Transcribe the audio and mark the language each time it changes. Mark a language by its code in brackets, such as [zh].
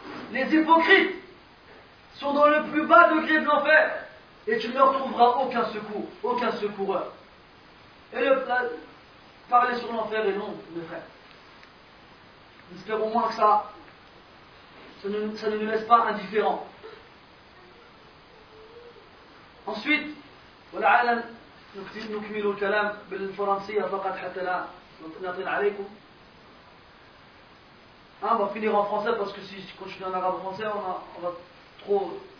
[fr] Les hypocrites sont dans le plus bas degré de l'enfer et tu ne retrouveras aucun secours, aucun secoureur. Et le plan, parler sur l'enfer est long, mes frères. Espérons moins que ça. Ça ne nous laisse pas indifférents. Ensuite, [ar] ولعل نكمل الكلام بالفرنسية فقط حتى لا نطيل عليكم. [fr] On va finir en français parce que si je continue en arabe français, on va trop.